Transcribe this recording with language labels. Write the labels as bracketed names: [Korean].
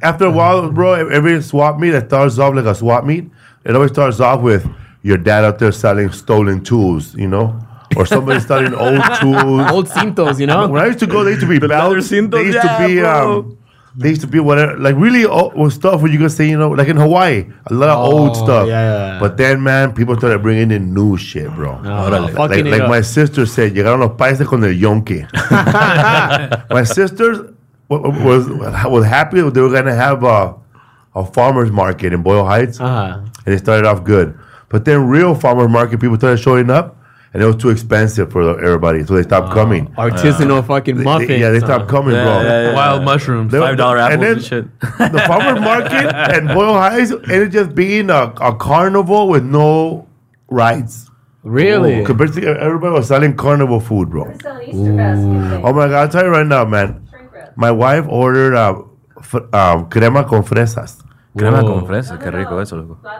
[English] After a while, bro, every swap meet that starts off like a swap meet, it always starts off with your dad out there selling stolen tools, you know? Or somebody studying old tools. Old cintos, you know? When I used to go, they used to be belts. They used to be, they used to be whatever, like really old stuff where you could say, you know, like in Hawaii, a lot of old stuff. Yeah. But then, man, people started bringing in new shit, bro. Oh, fucking like my sister said, [Spanish] llegaron los paises con el yonke. [English] My sister was happy they were going to have a farmer's market in Boyle Heights. Uh-huh. And it started off good. But then real farmer's market people started showing up. And it was too expensive for everybody, so they stopped coming. Artisanal fucking muffins. They stopped coming, bro. Yeah. Wild mushrooms, $5 apples and shit. The farmer's market and Boyle Heights ended just being a carnival with no rides. Really? Ooh, compared to everybody was selling carnival food, bro. They're selling Easter baskets. Oh my God, I'll tell you right now, man. My wife ordered crema con fresas. [Spanish] Crema con fresas, qué rico eso, loco.